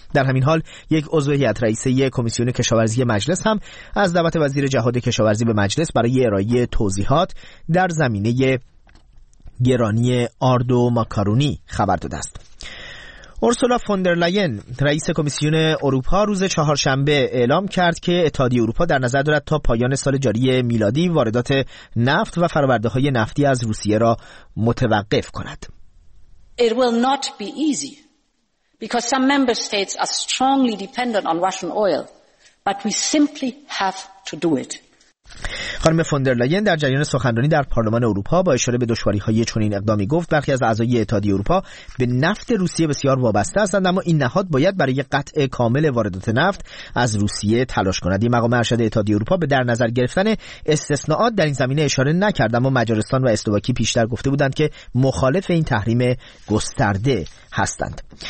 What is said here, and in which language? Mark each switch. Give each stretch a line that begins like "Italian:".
Persian: در همین حال یک عضو هیئت رئیسه کمیسیون کشاورزی مجلس هم از دعوت وزیر جهاد کشاورزی به مجلس برای ارائه توضیحات در زمینه گرانی آرد و ماکارونی خبر داده است. اورسولا فوندرلاین، رئیس کمیسیون اروپا، روز چهارشنبه اعلام کرد که اتحادیه اروپا در نظر دارد تا پایان سال جاری میلادی واردات نفت و فرآورده‌های نفتی از روسیه را متوقف کند.
English: It will not be easy because some member states are strongly dependent on Russian oil, but we simply have to do it.
Persian: خانم فوندرلاین در جریان سخنرانی در پارلمان اروپا با اشاره به دشواری‌های چنین اقدامی گفت: برخی از اعضای اتحادیه اروپا به نفت روسیه بسیار وابسته هستند، اما این نهاد باید برای قطع کامل واردات نفت از روسیه تلاش کند. این مقام ارشد اتحادیه اروپا به در نظر گرفتن استثناءات در این زمینه اشاره نکرد، اما مجارستان و اسلواکی پیشتر گفته بودند که مخالف این تحریم گسترده هستند.